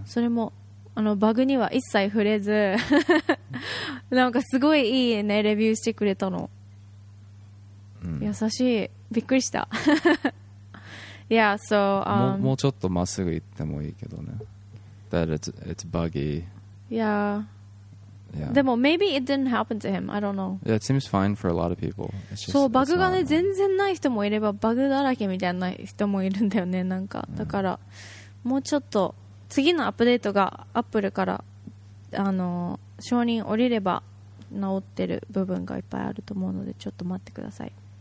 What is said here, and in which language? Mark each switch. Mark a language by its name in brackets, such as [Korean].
[Japanese] それもあのバグには一切触れずなんかすごいいいねレビューしてくれたの、うん、優しい、びっくりした。 [English] Yeah, so, [Japanese] もうちょっとまっすぐ行ってもいいけどね。 [English] That it's buggy. Yeah. Yeah. [Japanese] でも [English] maybe it didn't happen to him, I don't know. Yeah, it seems fine for a lot of people. It's just, [Japanese] そうバグがね全然ない人もいればバグだらけみたいな人もいるんだよね、なんか、yeah. だからもうちょっと次のアップデートがアップルからあの承認降りれば治ってる部分がいっぱいあると思うので、ちょっと待ってください。